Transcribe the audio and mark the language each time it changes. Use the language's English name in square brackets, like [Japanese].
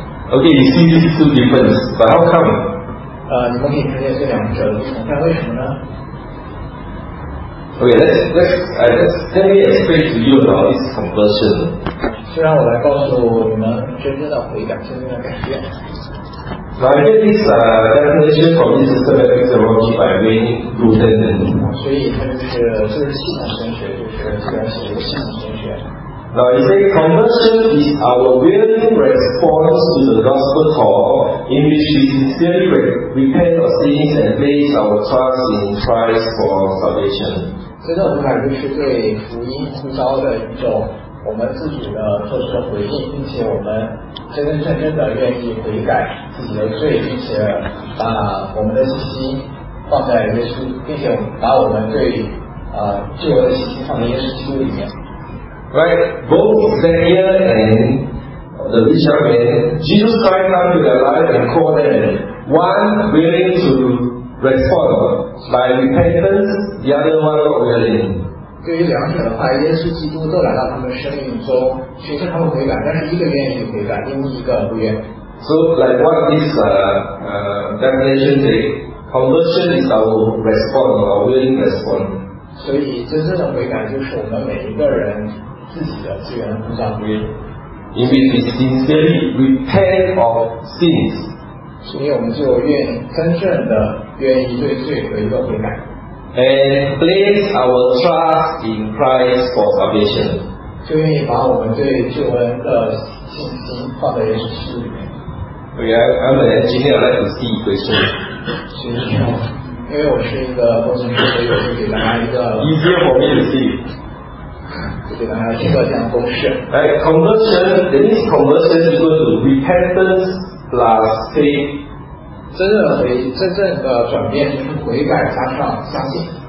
[English] Okay, you see these two differences, but how come? [Chinese] 你们可以看见这两者的不同，但为什么呢？ [English] Okay, let's let me explain to you about this conversion. [Chinese] 就让我来告诉你们真正的悔改，真正的改变。 [English] Now, I get this definition from this systematic theology by Wayne Grudem. [Chinese] 所以它就是系统神学，就是基本是一个系统神学。 [English] Now, he says conversion is our willing response to the gospel call in which we sincerely repent of sins and place our trust in Christ for salvation. [Chinese] 真正的悔改就是对福音呼召的一种我们自己的做出的回应，并且我们真真正正的愿意悔改自己的罪，并且把我们的信心放在耶稣，并且把我们对救恩的信心放在耶稣基督里面。 [English] Right, both Zacchaeus and the rich young man, Jesus Christ come to their life and call them. One willing to respond by repentance, the other one not willing. [Chinese] 对于两者的话，耶稣基督都来到他们生命中，学习他们悔改，但是一个愿意悔改，另一个不愿。 [English] So, like what this definition say, conversion is our response, our willing response. [Chinese] 所以真正的悔改就是我们每一个人自己的资源不相约。 [English] In which we sincerely repent of sins. [Chinese] 所以我们就愿真正的愿意对罪有一个悔改。 [English] And place our trust in Christ for salvation. [Chinese] 就愿意把我们对救恩的信心放在耶稣基督里面。 [English] I'm an engineer, I'd like to see a question. [Chinese] 行，因为我是一个工程师，所以我就给大家一个。 [English] Easier for me to see. Right, conversion, that means conversion is equal to repentance plus faith. [Chinese] 真正的转变就是悔改加上相信。